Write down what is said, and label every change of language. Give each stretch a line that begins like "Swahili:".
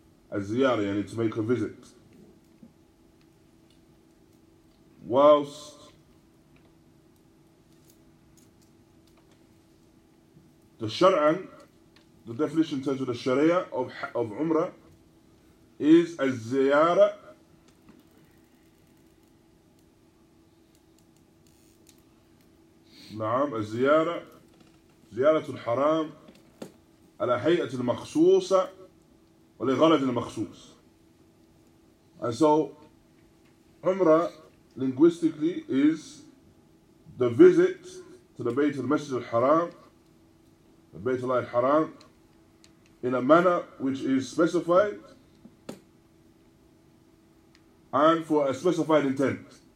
English: A ziyarah, yani to make a visit. Whilst the shar'an, the definition in terms of the sharia of Umrah is a ziyarah
Arabic: نعم الزيارة زيارة الحرام على هيئة المخصوصة ولغرض المخصوص.
English: And so Umrah linguistically is the visit to the Bayt al-Masjid al-Haram, the Bayt Allah al-Haram, in a manner which is specified and for a specified intent.